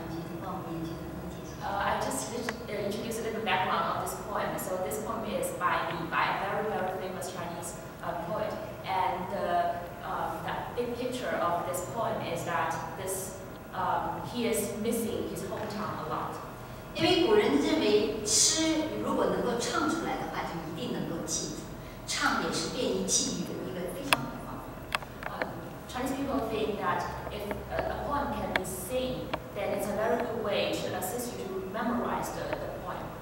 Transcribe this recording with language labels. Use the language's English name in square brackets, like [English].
[Chinese] 今天傍晚就能听见。 [English] I just introduce a little background of this poem. So this poem is by a very very famous Chinese poet and the big picture of this poem is that this, he is missing his hometown a lot. [Chinese] 因为古人认为诗如果能够唱出来的话，就一定能够记住。唱也是便于记忆的一个非常好的方法。 [English] Chinese people think that if a poem can be sung, then it's a very good way to assist you to memorize the poem.